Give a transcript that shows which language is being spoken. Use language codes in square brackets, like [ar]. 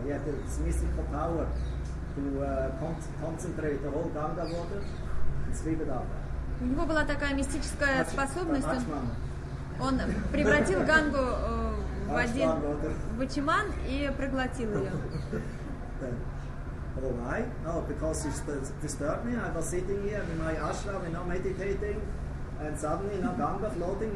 [en] He had this mystical power to concentrate the whole Ganga water and sweep it up. [ru] У него была такая мистическая способность. Он превратил Гангу в один бачиман и проглотил ее. [en] Oh, why? No, because you disturbed me. I was sitting here in my ashram, you know, meditating, and suddenly, you know, Ganga floating.